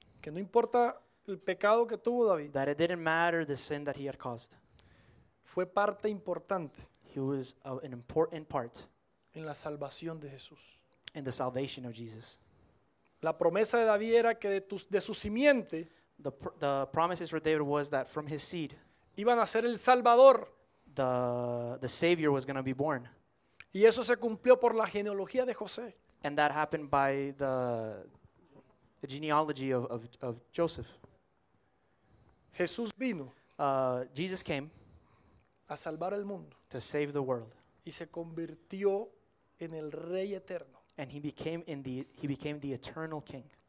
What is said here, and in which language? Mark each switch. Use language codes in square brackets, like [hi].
[es] Que no importa el pecado que tuvo David. [en] That it didn't matter the sin that he had caused. [es] Fue parte importante. [en] He was an important part. [es] En la salvación de Jesús. [en] In the salvation of Jesus. [es] La promesa de David era que de su simiente. [en] The promises for David was that from his seed. [es] Iban a ser el Salvador. [en] The Savior was going to be born. [es] Y eso se cumplió por la genealogía de José. [en] And that happened by the genealogy of Joseph. [es] Jesús vino. [en] Jesus came. [es] A salvar el mundo. [en] To save the world. [es] Y se convirtió en el Rey Eterno. [en] And he became the eternal king.